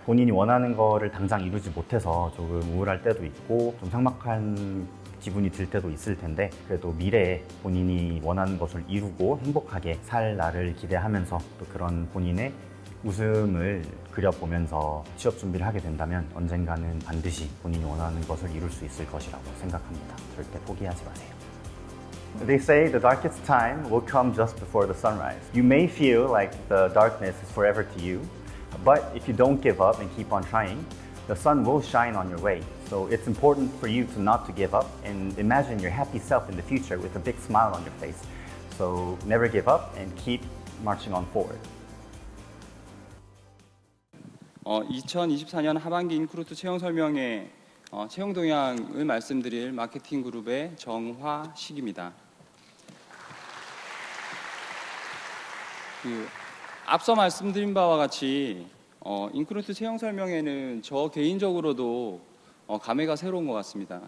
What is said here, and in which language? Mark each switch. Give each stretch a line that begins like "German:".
Korean: 본인이 원하는 거를 당장 이루지 못해서 조금 우울할 때도 있고 좀 삭막한 기분이 들 때도 있을 텐데, 그래도 미래에 본인이 원하는 것을 이루고 행복하게 살 날을 기대하면서 또 그런 본인의 웃음을 그려보면서 취업 준비를 하게 된다면 언젠가는 반드시 본인이 원하는 것을 이룰 수 있을 것이라고 생각합니다. 절대 포기하지 마세요.
English: They say the darkest time will come just before the sunrise. You may feel like the darkness is forever to you, but if you don't give up and keep on trying, the sun will shine on your way. So it's important for you to not to give up and imagine your happy self in the future with a big smile on your face. So never give up and keep marching on forward.
Korean: 2024년 하반기 인크루트 채용 설명회 채용 동향을 말씀드릴 마케팅 그룹의 정화식입니다. 그 앞서 말씀드린 바와 같이 인크루트 채용 설명회는 저 개인적으로도 감회가 새로운 것 같습니다.